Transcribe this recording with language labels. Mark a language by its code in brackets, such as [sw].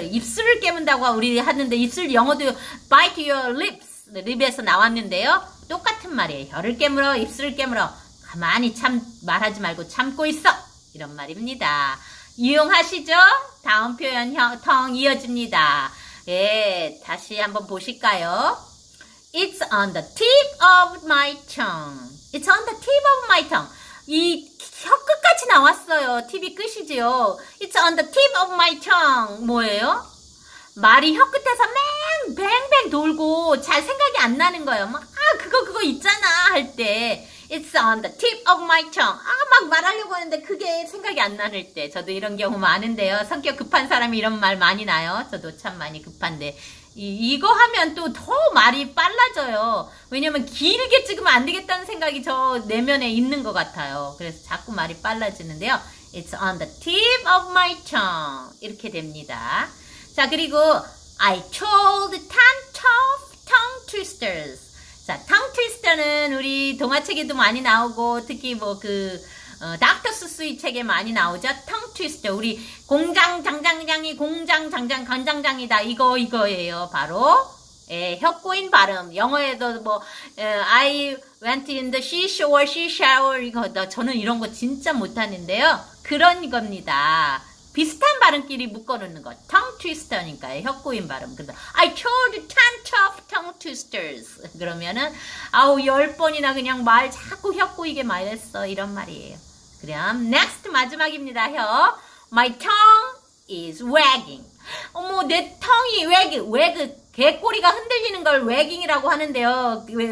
[ko] 입술을 깨문다고 우리 하는데 입술 영어도 [en] bite your lips. [ko] 립에서 나왔는데요. 똑같은 말이에요. 혀를 깨물어. 입술을 깨물어. 가만히 말하지 말고 참고 있어. 이런 말입니다. 유용하시죠? 다음 표현 tongue 이어집니다. 예, 다시 한번 보실까요? [en] It's on the tip of my tongue. It's on the tip of my tongue. [ko] 이 혀 끝까지 나왔어요. TV 끝이지요. [en] It's on the tip of my tongue. [ko] 뭐예요? 말이 혀 끝에서 맨 뱅뱅 돌고 잘 생각이 안 나는 거예요. 막 아 그거 있잖아 할 때 [en] It's on the tip of my tongue. [ko] 아 막 말하려고 하는데 그게 생각이 안 나는 때 저도 이런 경우 많은데요. 성격 급한 사람이 이런 말 많이 나요. 저도 참 많이 급한데 이거 하면 또 더 말이 빨라져요. 왜냐면 길게 찍으면 안 되겠다는 생각이 저 내면에 있는 것 같아요. 그래서 자꾸 말이 빨라지는데요. [en] It's on the tip of my tongue. [ko] 이렇게 됩니다. 자, 그리고 [en] I told 10 tough tongue twisters. [ko] 자, tongue twister는 우리 동화책에도 많이 나오고 특히 뭐 그 닥터 수스의 책에 많이 나오죠. [en] Tongue twister. [ko] 우리 공장 장장장이 공장 장장 간장장이다. 이거예요. 바로 혀 꼬인 발음. 영어에도 뭐 [en] I went in the seashore, she shower. [ko] 이거 저는 이런 거 진짜 못하는데요. 그런 겁니다. 비슷한 발음끼리 묶어놓는 거. Tongue twister니까요. 혀 꼬인 발음. 그래서 [en] I told 10 tough tongue twisters. [ko] 그러면은 아우 열 번이나 그냥 말 자꾸 혀 꼬이게 말했어. 이런 말이에요. 그럼 next 마지막입니다. [en] 혀. My tongue is wagging. [ko] 어머 내 tongue이 wagging. Wag 개꼬리가 흔들리는 걸 wagging이라고 하는데요.